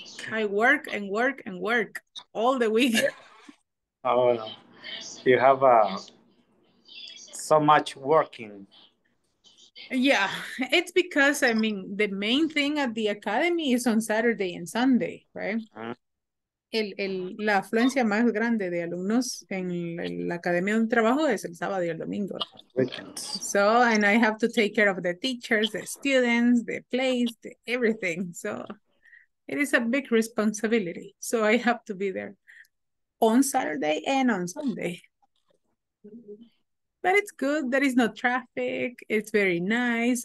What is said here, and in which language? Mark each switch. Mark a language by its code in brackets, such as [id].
[en] I work and work and work all the week. Oh, you have so much working. Yeah, it's because, I mean, the main thing at the academy is on Saturday and Sunday, right? [es] La afluencia más grande de alumnos en la academia de trabajo es el sábado y el domingo. [en] So, and I have to take care of the teachers, the students, the place, the everything. So, it is a big responsibility. So, I have to be there on Saturday and on Sunday. But it's good. There is no traffic. It's very nice.